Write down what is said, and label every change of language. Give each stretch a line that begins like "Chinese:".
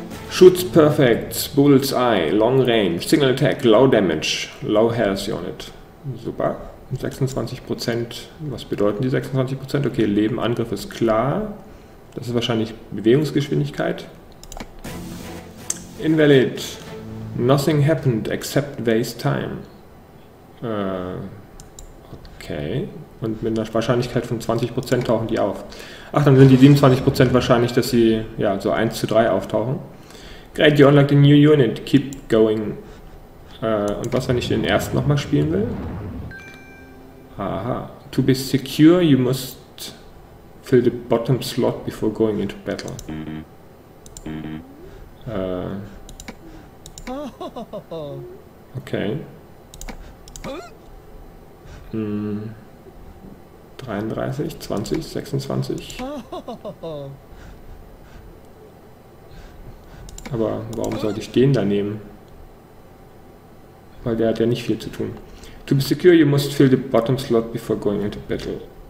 English: Shoots perfect, bull's eye, long range, single attack, low damage, low health unit.
German: Super. 26%. Was bedeuten die 26%? Okay, Leben, Angriff ist klar. Das ist wahrscheinlich Bewegungsgeschwindigkeit.
English: Invalid. Nothing happened except waste time. Okay.
German: Und mit einer Wahrscheinlichkeit von 20% tauchen die auf. Ach, dann sind die 27% wahrscheinlich, dass sie ja so 1 zu 3 auftauchen.
English: Great, you unlocked a new unit. Keep going.
German: Und was, wenn ich den ersten nochmal spielen will? Aha.
English: To be secure, you must fill the bottom slot before going into battle. Okay. 33, 20, 26.
German: Aber warum sollte ich den da nehmen? Weil der hat ja nicht viel zu tun.
English: To be secure, you must fill the bottom slot before going into battle.